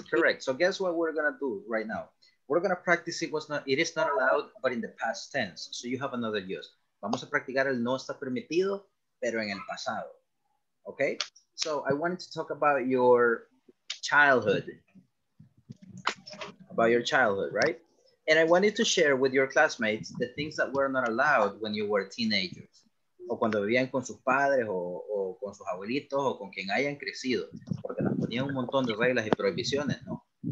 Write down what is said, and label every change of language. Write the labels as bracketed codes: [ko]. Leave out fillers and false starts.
[en] Correct. So guess what we're gonna do right now? We're gonna practice it is not allowed, but in the past tense. So you have another use. [es] Vamos a practicar el no está permitido, pero en el pasado. Okay? [en] So I wanted to talk about your childhood. About your childhood, right? And I wanted to share with your classmates the things that were not allowed when you were teenagers. [es] O cuando vivían con sus padres, o con sus abuelitos, o con quien hayan crecido. Porque nos ponían un montón de reglas y prohibiciones, ¿no?